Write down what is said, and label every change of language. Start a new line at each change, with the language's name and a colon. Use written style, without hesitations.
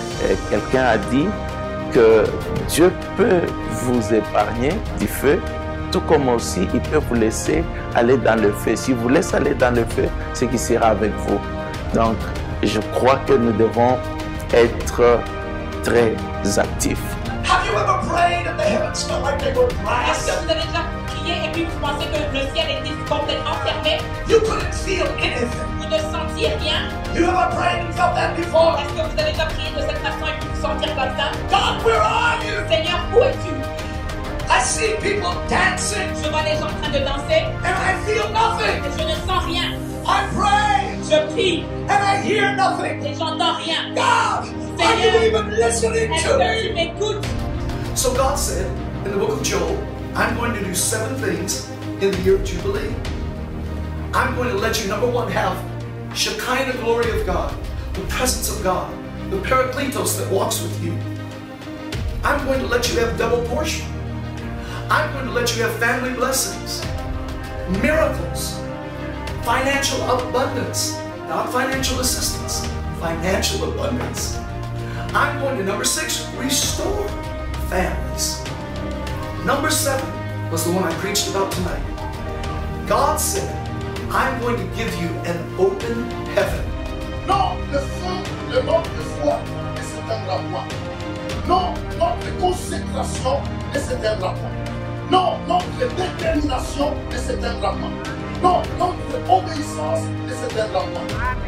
French: Et quelqu'un a dit que Dieu peut vous épargner du feu, tout comme aussi il peut vous laisser aller dans le feu. S'il vous laisse aller dans le feu, c'est qu'il sera avec vous. Donc, je crois que nous devons être très actifs.
English: Have you ever prayed and the heavens felt like they were brass?
French: Est-ce que vous avez déjà prié et puis vous pensez que le ciel était complètement fermé?
English: You couldn't feel anything.
French: Vous ne sentiez rien?
English: You ever prayed and felt that before?
French: Est-ce que vous avez déjà prié de cette façon et puis vous sentiez comme ça?
English: God, where are you?
French: Seigneur, où es-tu?
English: I see people dancing.
French: Je vois les gens en train de danser.
English: And I feel nothing.
French: Et je ne sens rien.
English: I pray.
French: Je prie.
English: And I hear nothing.
French: Et j'entends rien.
English: God! Are you even listening to me? So God said in the book of Joel, I'm going to do 7 things in the year of Jubilee. I'm going to let you, number one, have Shekinah glory of God, the presence of God, the Paracletos that walks with you. I'm going to let you have double portion. I'm going to let you have family blessings, miracles, financial abundance, not financial assistance, financial abundance. I'm going to, number 6, restore families. Number 7 was the one I preached about tonight. God said, I'm going to give you an open heaven.
French: Non, le feu, le monde de foi, ne s'éteindra pas. Non, notre consécration ne s'éteindra pas. Non, notre détermination ne s'éteindra pas. Non, notre obéissance ne s'éteindra pas.